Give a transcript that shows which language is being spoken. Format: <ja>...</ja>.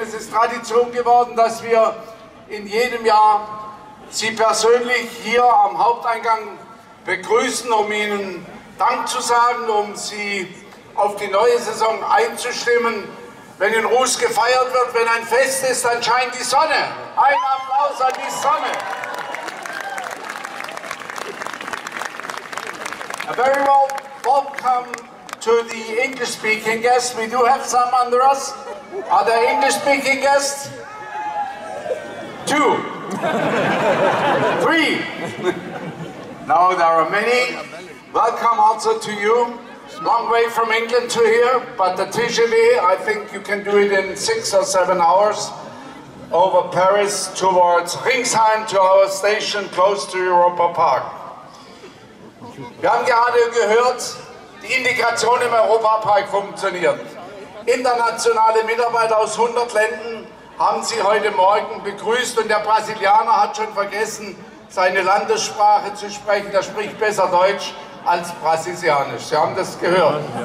<de>Es ist Tradition geworden, dass wir in jedem Jahr Sie persönlich hier am Haupteingang begrüßen, um Ihnen Dank zu sagen, um Sie auf die neue Saison einzustimmen. Wenn in Ruß gefeiert wird, wenn ein Fest ist, dann scheint die Sonne. Ein Applaus an die Sonne.</de> <en>A very welcome to the English-speaking guests. We do have some under us. Are there English-speaking guests? Two. Three. No, there are many. Welcome also to you. Long way from England to here, but the TGV, I think you can do it in 6 or 7 hours over Paris towards Ringsheim to our station close to Europa Park.</en> <de>Wir haben gerade gehört, die Integration im Europapark funktioniert. Internationale Mitarbeiter aus 100 Ländern haben Sie heute Morgen begrüßt und der Brasilianer hat schon vergessen, seine Landessprache zu sprechen. Er spricht besser Deutsch als Brasilianisch. Sie haben das gehört.</de>